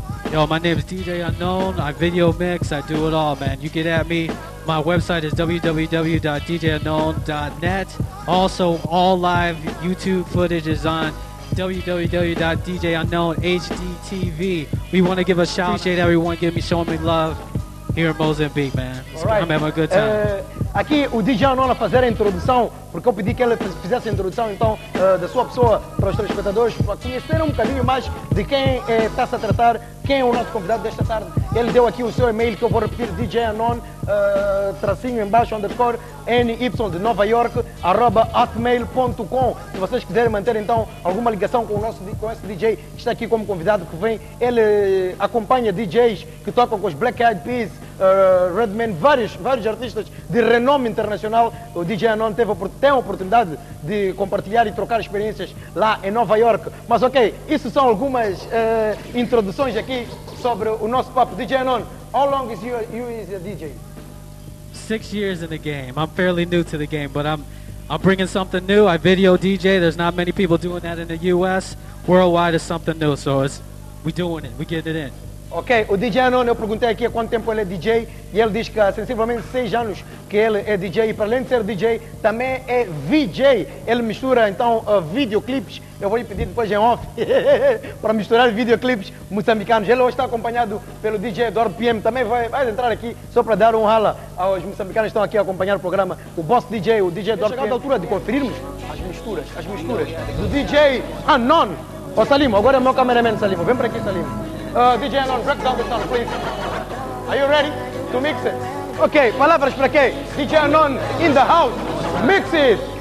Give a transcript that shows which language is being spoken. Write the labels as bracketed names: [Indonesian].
[English] Yo, my name is DJ Anon. I video mix. I do it all, man. You get at me. My website is www.djanon.net. Also, all live YouTube footage is on www.djanonhdtv. We want to give a shout out. Appreciate everyone giving me, showing me love. Here in Mozambique, man. Right. I'm having a good time. [Portuguese] Aqui o DJ Anon a fazer a introdução, porque eu pedi que ele fizesse a introdução então da sua pessoa para os telespectadores, para conhecer um bocadinho mais de quem está a tratar, quem é o nosso convidado desta tarde. Ele deu aqui o seu e-mail que eu vou repetir, DJ Anon, tracinho embaixo, underscore, NY de Nova York, @hotmail.com. Se vocês quiserem manter então alguma ligação com o nosso, com esse DJ que está aqui como convidado que vem, ele acompanha DJs que tocam com os Black Eyed Peas, Redman, vários artistas de renome internacional. O DJ Anon tem a oportunidade de compartilhar e trocar experiências lá em Nova York. Mas ok, isso são algumas introduções aqui sobre o nosso papo. [English] DJ Anon, how long is you is a DJ? 6 years in the game. I'm fairly new to the game, but I'm bringing something new. I video DJ. There's not many people doing that in the US. Worldwide is something new, so we're doing it. We're getting it in. [Portuguese] Ok, o DJ Anon, eu perguntei aqui há quanto tempo ele é DJ e ele diz que há sensivelmente 6 anos que ele é DJ e para além de ser DJ, também é VJ. Ele mistura então videoclipes, eu vou lhe pedir depois em off para misturar videoclipes moçambicanos. Ele hoje está acompanhado pelo DJ Eduardo PM, também vai entrar aqui só para dar um hala aos moçambicanos que estão aqui a acompanhar o programa. O Boss DJ, o DJ Eduardo PM. Chegou a altura de conferirmos as misturas do DJ Anon. Ô Salimo, agora é o meu cameraman Salimo, vem para aqui Salimo. [English] DJ Anon, break down the sound, please. Are you ready to mix it? Ok, [Portuguese] palavras para quê? [English] DJ Anon in the house, mix it!